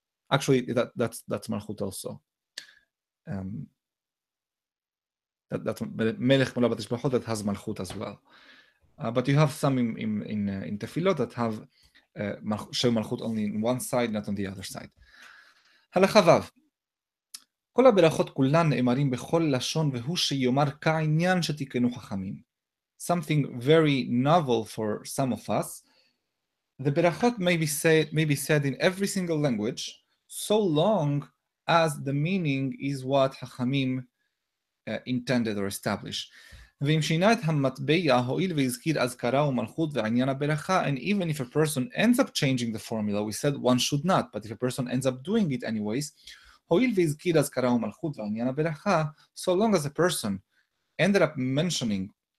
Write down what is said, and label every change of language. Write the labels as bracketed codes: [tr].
[en] Actually, that's Malchut also. That's Melech Mola Batesh Malchut, that has Malchut as well. But you have some in Tefillot that have Shemu Malchut only in one side, not on the other side. [he] Halakha Vav. כל הברכות כולן נאמרים בכל לשון והוא שיומר כעניין שתיקנו חכמים. [en] something very novel for some of us, the berachot may be said in every single language, so long as the meaning is what Hachamim intended or established. [he] ואם שינה את המטבעה, הועיל והזכיר אזכרה ומלכות ועניין הברכה, [en] and even if a person ends up changing the formula, we said one should not, but if a person ends up doing it anyways, [he] הועיל והזכיר אזכרה ומלכות ועניין הברכה, [en] so long as a person ended up mentioning